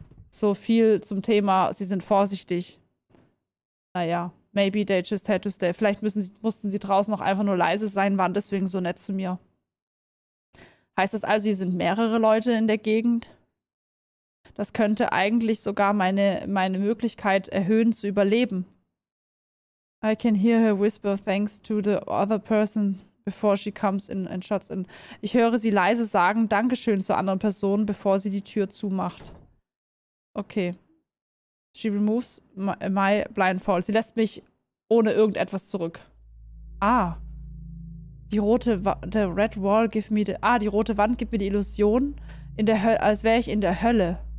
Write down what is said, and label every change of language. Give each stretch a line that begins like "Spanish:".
German: So viel zum Thema, sie sind vorsichtig. Naja,
English: maybe they just had to stay.
German: Vielleicht mussten sie draußen noch einfach nur leise sein, waren deswegen so nett zu mir. Heißt das also, hier sind mehrere Leute in der Gegend? Das könnte eigentlich sogar meine Möglichkeit erhöhen, zu überleben.
English: I can hear her whisper thanks to the other person before she comes in and shuts in.
German: Ich höre sie leise sagen Dankeschön zur anderen Person, bevor sie die Tür zumacht.
English: Okay. She removes my blindfold.
German: Sie lässt mich ohne irgendetwas zurück. Ah. Die rote Wand gibt mir die Illusion, als wäre ich in der Hölle.